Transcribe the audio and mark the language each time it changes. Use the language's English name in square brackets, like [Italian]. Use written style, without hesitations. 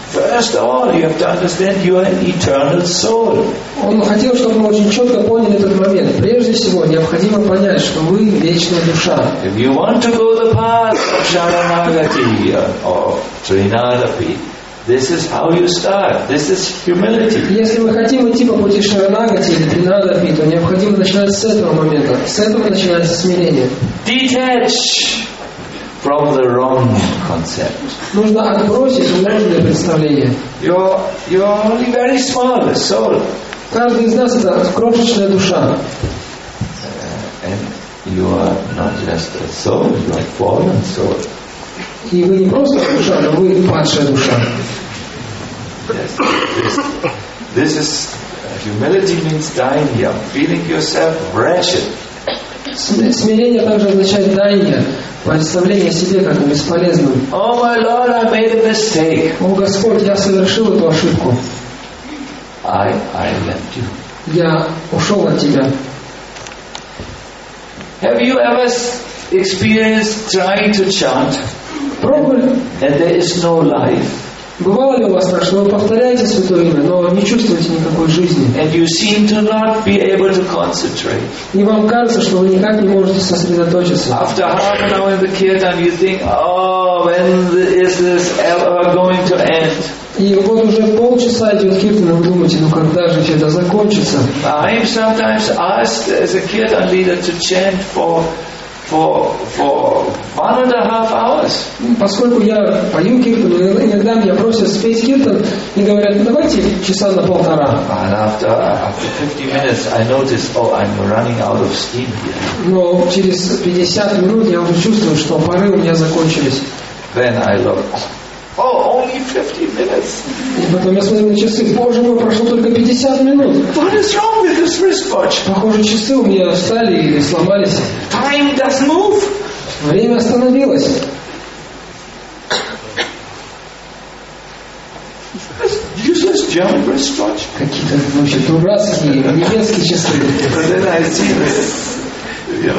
[English] First of all, you have to understand you are an eternal soul. [Russian] Он хотел, чтобы мы очень четко поняли этот момент. Прежде всего, необходимо понять, что вы вечная душа. [English] If you want to go the path of Sharanagati or Trinadapi, this is how you start. This is humility. [Russian] Если мы хотим идти по пути Шаранагати или Тринадапи, то необходимо начинать с этого момента. С этого начинается смирение. [English] Detach from the wrong concept. [Russian] Нужно отбросить ложное представление. [English] You're only very small, a soul. [Russian] Каждый из нас это крошечная душа. [English] And you are not just a soul, you are a fallen soul. [Russian] И вы не просто душа, но вы падшая душа. [English] Yes, this is humility means dying young, feeling yourself wretched. [Russian] Смирение также означает дайнье, представление о себе как бесполезным. [English] Oh my Lord, I made a mistake. [Russian] О Господь, я совершил эту ошибку. [English] I left you. [Russian] Я ушел от тебя. [English] Have you ever experienced trying to chant? [Russian] Пробовали? [English] And there is no life. [Russian] Бывало ли у вас так, что вы повторяете святое имя, но не чувствуете никакой жизни? [English] And you seem to not be able to concentrate. [Russian] И вам кажется, что вы никак не можете сосредоточиться. [English] After half an hour in the kirtan, you think, oh, when is this ever going to end? [Russian] И вот уже пол полчаса идет киртан, вы думаете, ну когда же это закончится? [English] I'm sometimes asked as a kirtan leader to chant for 1.5 hours. [Russian] Поскольку я пою киртан, иногда меня просят спеть киртан и говорят, давайте часа на полтора. [English] And after 50 minutes I notice, oh, I'm running out of steam here. [Russian] Но через 50 минут я уже чувствую, что пары у меня закончились. [English] Then I look. Oh, only 50 minutes. [Russian] Потом я смотрю на часы. Боже мой, прошло только 50 минут. [English] What is wrong with this wristwatch? [Russian] Похоже, часы у меня встали или сломались. [English] Time does move. [Russian] Время остановилось. [English] Useless German wristwatch. [Russian] Какие-то вообще дурацкие немецкие часы. [English] But then I see this, you know, this second,